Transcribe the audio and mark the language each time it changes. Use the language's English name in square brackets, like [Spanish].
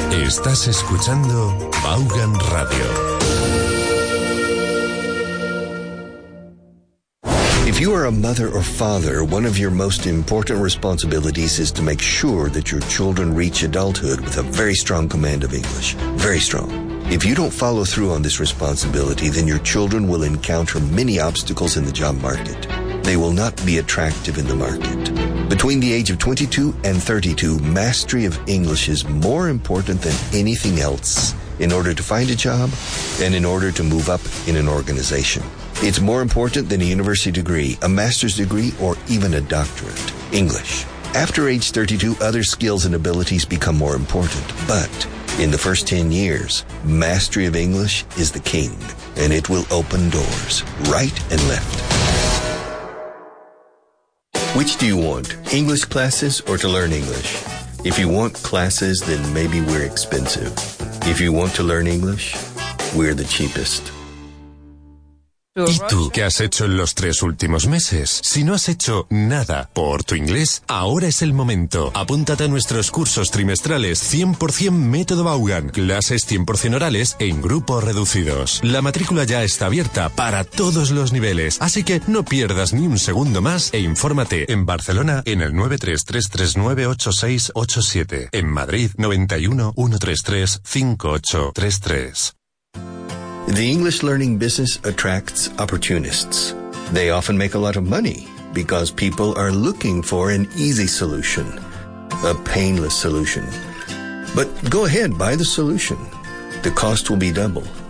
[Spanish] Estás escuchando Vaughan Radio. [English] If you are a mother or father, one of your most important responsibilities is to make sure that your children reach adulthood with a very strong command of English. Very strong. If you don't follow through on this responsibility, then your children will encounter many obstacles in the job market. They will not be attractive in the market. Between the age of 22 and 32, mastery of English is more important than anything else in order to find a job and in order to move up in an organization. It's more important than a university degree, a master's degree, or even a doctorate. English. After age 32, other skills and abilities become more important. But in the first 10 years, mastery of English is the king, and it will open doors right and left. Which do you want, English classes or to learn English? If you want classes, then maybe we're expensive. If you want to learn English, we're the cheapest. [Spanish] ¿Y tú qué has hecho en los tres últimos meses? Si no has hecho nada por tu inglés, ahora es el momento. Apúntate a nuestros cursos trimestrales 100% método Vaughan, clases 100% orales en grupos reducidos. La matrícula ya está abierta para todos los niveles, así que no pierdas ni un segundo más e infórmate en Barcelona en el 933398687, en Madrid 91133-5833. [English] The English learning business attracts opportunists. They often make a lot of money because people are looking for an easy solution, a painless solution. But go ahead, buy the solution. The cost will be double.